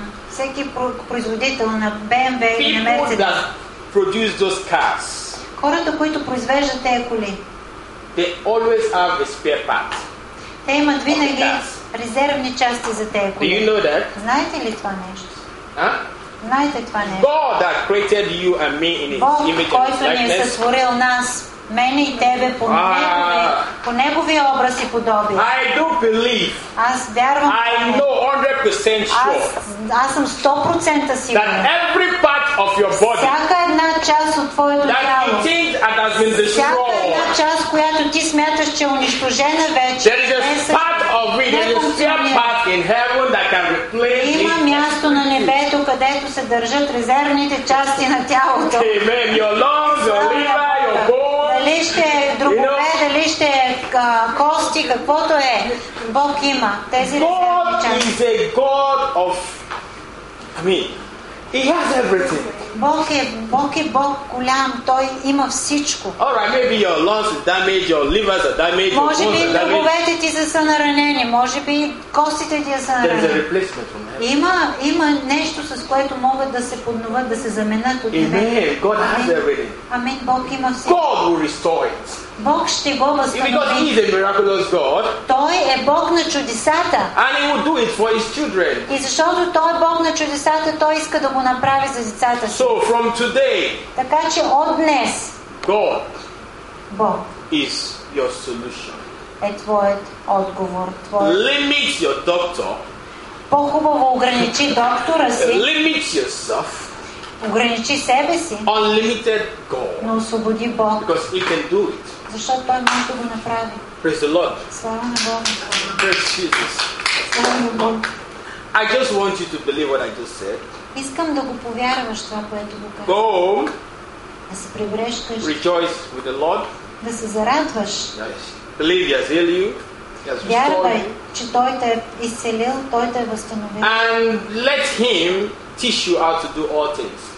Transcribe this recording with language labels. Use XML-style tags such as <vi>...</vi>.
<bg>Всеки производител на BMW или на Mercedes.</bg> <en>People produce those cars.</en> <bg>Хората, които произвеждат тези коли,</bg> <en>they always have a spare part.</en> <bg>Те имат винаги резервни части за тези коли.</bg> <en>Do you know that?</en> <bg>Знаете ли това нещо? Huh? Знаете това нещо?</bg> <en>God that created you and me in His</en> <bg>Бог,</bg> <en>image</en> <bg>който</bg> <en>and likeness,</en> <bg>ни е сътворил нас, мене и тебе, по Неговия образ и подобие.</bg> <en>I do believe.</en> <bg>Аз вярвам.</bg> <en>I know 100% sure.</en> <bg>Аз съм 100% сигурен.</bg> <en>That every part of your body.</en> <bg>Всяка една част от твоето тяло.</bg> <en>That has been destroyed.</en> <bg>Всяка една част, която ти смяташ, че е унищожена вече.</bg> <en>There is a part of it. There is a spare part in heaven that can replace it.</en> <bg>Има място на небето, където се държат резервните части на тялото.</bg> <en>Amen. Your lungs, your liver, your bones.</en> <bg>Дали ще е другове, дали ще е кости, каквото е, Бог има тези части.</bg> <en>God is a God of me. He has everything.</en> <bg>Бог е Бог голям, Той има всичко.</bg> <en>All right, maybe your lungs are damaged, your livers are damaged.</en> <bg>Може би другове ти са наранени, може би костите ти са наранени.</bg> <en>There is a replacement from heaven.</en> <bg>Има нещо, с което могат да се подновят, да се заменят от небе.</bg> <en>Amen. God has everything.</en> <bg>Амин. Бог има всичко.</bg> <en>God will restore it.</en> <bg>Бог ще го възстанови.</bg> <en>Because He is a miraculous God.</en> <bg>Той е Бог на чудесата.</bg> <en>And He will do it for His children.</en> <bg>И защото Той е Бог на чудесата, Той иска да го направи за децата си.</bg> <en>So from today.</en> <bg>Така че от днес.</bg> <en>God.</en> <bg>Бог.</bg> <en>Is your solution.</en> <bg>Е твоят отговор.</bg> <en>Limit your doctor.</en> <bg>По-хубаво ограничи доктора си.</bg> <en>Limit yourself.</en> <bg>Ограничи себе си.</bg> <en>Unlimited God.</en> <bg>Но освободи Бог.</bg> <en>Because He can do it.</en> <bg>Защото Той може да го направи.</bg> <en>Praise the Lord.</en> <bg>Слава на Бога.</bg> <en>Praise Jesus.</en> <bg>Слава на Бога.</bg> <en>I just want you to believe what I just said.</en> <bg>Искам да го повярваш това, което го казвам.</bg> <en>Go.</en> <bg>Да се прибрежкаш.</bg> <en>Rejoice with the Lord.</en> <bg>Да се зарадваш.</bg> <en>Yes. Believe He has healed you.</en> <bg>Вярвай, че Той те е изцелил, Той те е възстановил.</bg> <en>And let Him teach you how to do all things.</en>